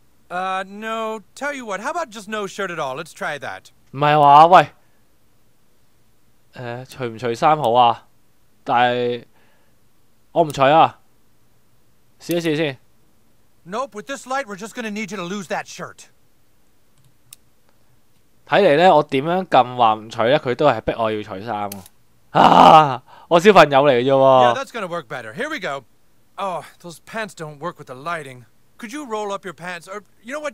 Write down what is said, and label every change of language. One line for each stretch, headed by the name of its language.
English: No. Tell you what. How about just no shirt at all? Let's try that.
Cantonese: 唔系话喂，除唔除衫好啊？但系我唔除啊。试一试先。
English: Nope. With this light, we're just gonna need you to lose that shirt.
Cantonese: 睇嚟咧，我点样揿话唔除咧，佢都系逼我要除衫啊。我小朋友嚟嘅啫喎。
English: Yeah, that's gonna work better. Here we go. Oh, those pants don't work with the lighting. Could you roll up your pants, or you know what?